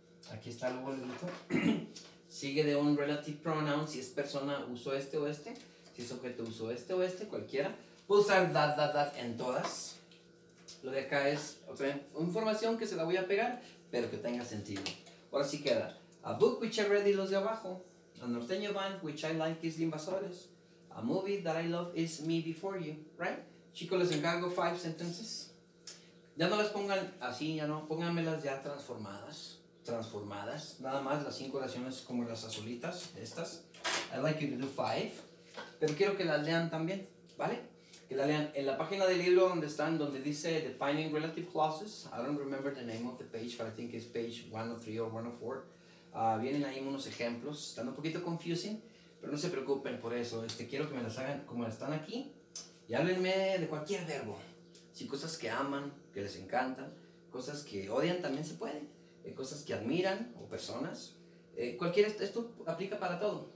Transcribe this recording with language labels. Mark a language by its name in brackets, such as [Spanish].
[Spanish] Aquí está el boludito. Sigue de un relative pronoun. Si es persona, uso este o este. Si es objeto, uso este o este, cualquiera. Puedo usar that en todas. Lo de acá es otra información que se la voy a pegar, pero que tenga sentido. Ahora sí queda. [English] A book which I read [Spanish] y los de abajo. [English] A norteño band which I like is the invasores. A movie that I love is me before you. Right? [Spanish] Chicos, les encargo [English] 5 sentences. [Spanish] Ya no las pongan así, ya no. Pónganmelas ya transformadas. Transformadas. Nada más las 5 oraciones como las azulitas, estas. [English] I'd like you to do 5. [Spanish] Pero quiero que las lean también, ¿vale? Que las lean en la página del libro donde están, donde dice Defining Relative Clauses. [English] I don't remember the name of the page, but I think it's page 103 or 104. [Spanish] Vienen ahí unos ejemplos. Están un poquito confusing, pero no se preocupen por eso. Quiero que me las hagan como están aquí. Y háblenme de cualquier verbo. Si cosas que aman, que les encantan, cosas que odian también se puede. Cosas que admiran o personas. Esto aplica para todo.